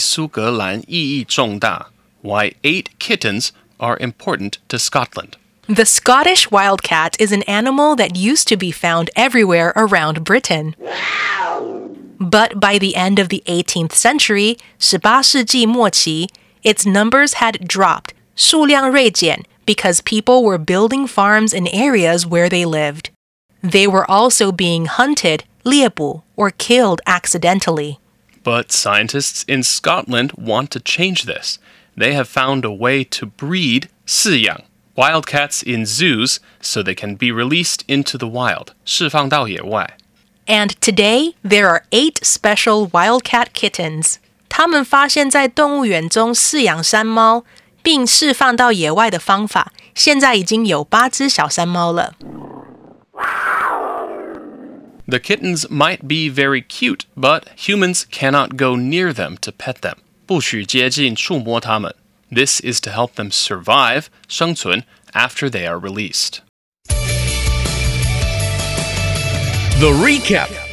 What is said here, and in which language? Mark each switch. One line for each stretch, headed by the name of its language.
Chinese: 这八只小猫对苏格兰意义重大.
English: Why 8 kittens are important to Scotland. The Scottish wildcat is an animal that used to be found everywhere around Britain. But by the end of the 18th century, 18世纪末期, its numbers had dropped, 数量锐减, because people were building farms in areas where they lived. They were also being hunted, 猎捕, or killed accidentally. But scientists in Scotland want to change this. They have found a way to breed 饲养, wildcats in zoos so they can be released into the wild.
Chinese: 释放到野外.
English: And today, there are 8 special wildcat kittens.
Chinese: 他们发现在动物园中饲养山猫, 并释放到野外的方法, 现在已经有八只小山猫了.
English: The kittens might be very cute, but humans cannot go near them to pet them.
Chinese: 不许接近触摸它们.
English: This is to help them survive, 生存, after they are released. The recap.